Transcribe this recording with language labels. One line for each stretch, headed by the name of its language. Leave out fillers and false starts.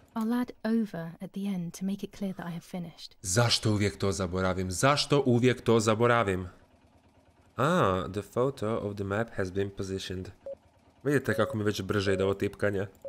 English: I'll add over at the end to make it clear that I have finished.
Croatian: Zašto uvijek to zaboravim? Zašto uvijek to zaboravim?
English: Ah, the photo of the map has been positioned.
Croatian: Vidite kako mi već brže ide ovo tipkanje.